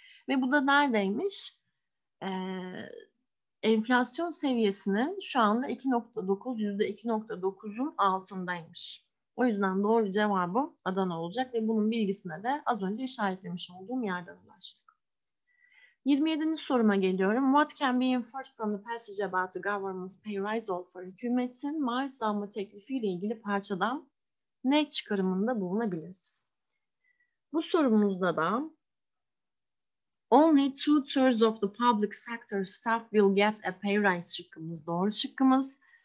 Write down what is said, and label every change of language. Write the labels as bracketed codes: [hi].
[tr] Ve bu da neredeymiş? Enflasyon seviyesinin şu anda 2.9, %2.9'un altındaymış. O yüzden doğru cevabım Adana olacak ve bunun bilgisine de az önce işaretlemiş olduğum yerden ulaştık. 27. soruma geliyorum. [en] What can be inferred from the passage about the government's pay rise offer? [tr] Hükümetin maaş zammı teklifiyle ilgili parçadan ne çıkarımında bulunabiliriz? Bu sorumuzda da [en] only two-thirds of the public sector staff will get a pay rise [tr] şıkkımız. Doğru şıkkımız.